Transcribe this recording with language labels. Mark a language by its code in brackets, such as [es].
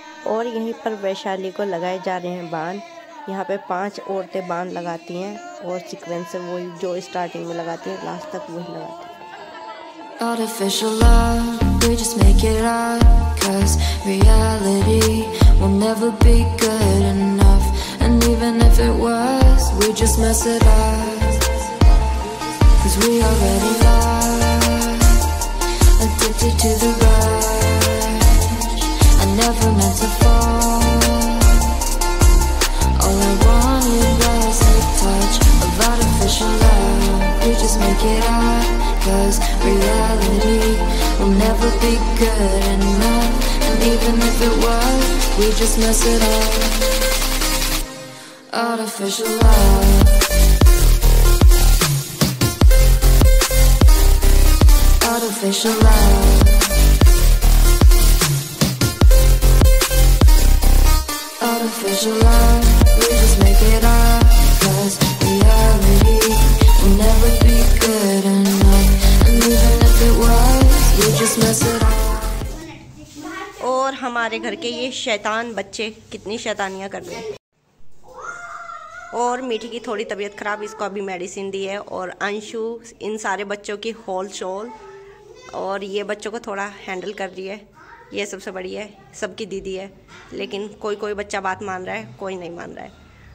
[hi] और यहीं पर वैशाली को लगाए जा रहे हैं बांध, यहाँ पे 5 औरतें बांध लगाती हैं, और सिक्वेंस से वही जो स्टार्टिंग में लगाती हैं लास्ट तक वही लगाती हैं। [en] Even if it was, we'd just mess it up. 'Cause we already lost, addicted to the rush. I never meant to fall. All I wanted was a touch of artificial love. We just make it up, 'cause reality will never be good enough. And even if it was, we'd just mess it up. Artificial love. Artificial love. Artificial love. We just make it up, 'cause reality will never be good enough. And even if it was, we just mess it up. [hi] और हमारे घर के ये शैतान बच्चे कितनी शैतानियां कर रहे हैं। और मीठी की थोड़ी तबीयत ख़राब, इसको अभी मेडिसिन दी है। और अंशु इन सारे बच्चों की होल शोल, और ये बच्चों को थोड़ा हैंडल कर रही है, ये सबसे बड़ी है, सबकी दीदी है, लेकिन कोई कोई बच्चा बात मान रहा है, कोई नहीं मान रहा है।